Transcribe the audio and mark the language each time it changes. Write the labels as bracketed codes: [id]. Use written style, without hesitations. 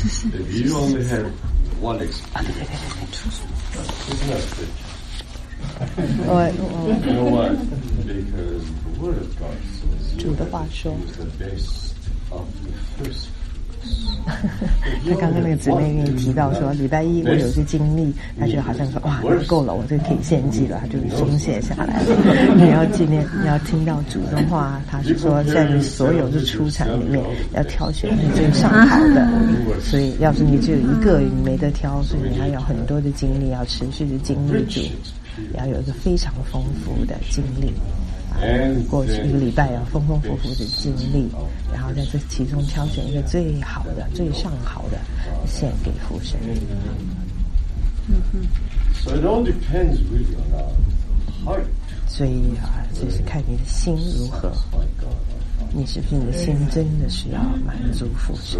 [en] If you only had one experience, you know what? Because the word of God says it's the best of the first. [zh] 他刚刚那个姊妹跟你提到说，礼拜一我有些经历，他就好像说哇，够了，我就可以献祭了，他就松懈下来了。你要纪念，你要听到主的话，他是说在你所有的出产里面要挑选你最上好的，所以要是你只有一个没得挑，所以你还有很多的经历要持续的经历住，要有一个非常丰富的经历。过去一个礼拜要丰丰富富的经历，然后在这其中挑选一个最好的、最上好的献给父神。 [en] So it all depends really on our heart. [zh] 所以啊，就是看你的心如何，你是不是你的心真的是要满足父神。